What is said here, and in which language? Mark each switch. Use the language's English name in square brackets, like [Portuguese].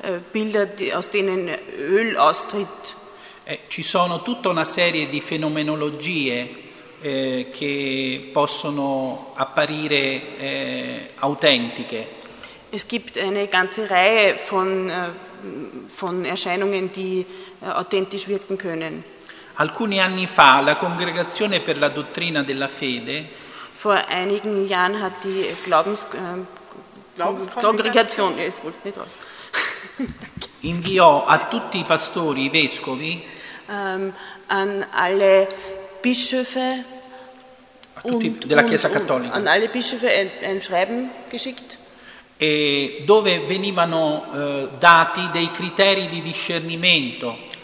[German] Bilder, aus denen Öl austritt. [Italian] Ci sono tutta una serie di fenomenologie che possono apparire autentiche. [German] Es gibt eine ganze Reihe von Erscheinungen, die authentisch wirken können. [Italian] Alcuni anni fa la Congregazione per la Dottrina della Fede, [German] vor einigen Jahren hat die Glaubenskongregation, es wollte nicht aus. [Italian] inviò a tutti i pastori, i vescovi, [German] an alle Bischöfe [Italian] della Chiesa Cattolica. [German] An alle Bischöfe ein Schreiben geschickt. [Italian] E dove venivano dati dei criteri di discernimento.